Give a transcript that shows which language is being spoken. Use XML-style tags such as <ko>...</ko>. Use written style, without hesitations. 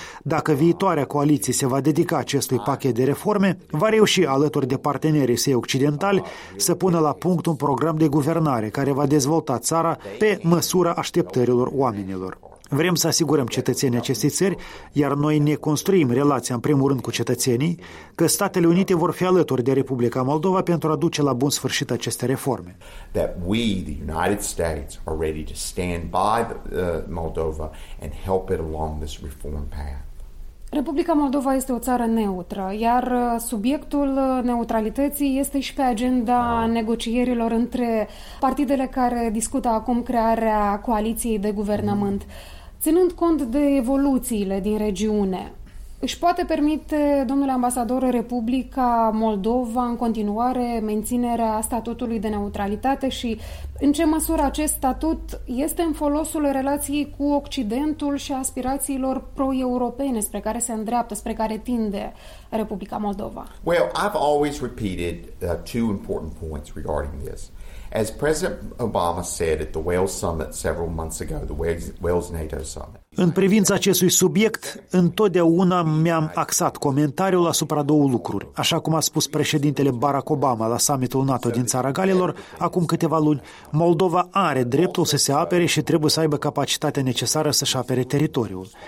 <ro>Dacă viitoarea coaliție se va dedica acestui pachet de reforme, va reuși alături de partenerii săi occidentali să pună la punct un program de guvernare care va dezvolta țara pe măsura așteptărilor oamenilor. Vrem să asigurăm cetățenii acestei țări, iar noi ne construim relația în primul rând cu cetățenii, că Statele Unite vor fi alături de Republica Moldova pentru a duce la bun sfârșit aceste reforme.</ro> <en>That we, the United States, are ready to stand by Moldova and help it along this reform path.</en> <ro>Republica Moldova este o țară neutră, iar subiectul neutralității este și pe agenda negocierilor între partidele care discută acum crearea coaliției de guvernământ. Ținând cont de evoluțiile din regiune, își poate permite, domnule ambasador, Republica Moldova în continuare menținerea statutului de neutralitate și în ce măsură acest statut este în folosul relației cu Occidentul și aspirațiilor pro-europene spre care se îndreaptă, spre care tinde Republica Moldova?</ro> <en>Well, I've always repeated two important points regarding this. As President Obama said at the Wales Summit several months ago, the Wales NATO Summit.</en> <ro>În privința acestui subiect, întotdeauna mi-am axat comentariul asupra două lucruri. Așa cum a spus președintele Barack Obama la summitul NATO din Țara Galilor, acum câteva luni, Moldova are dreptul să se apere și trebuie să aibă capacitatea necesară să-și apere teritoriul.</ro>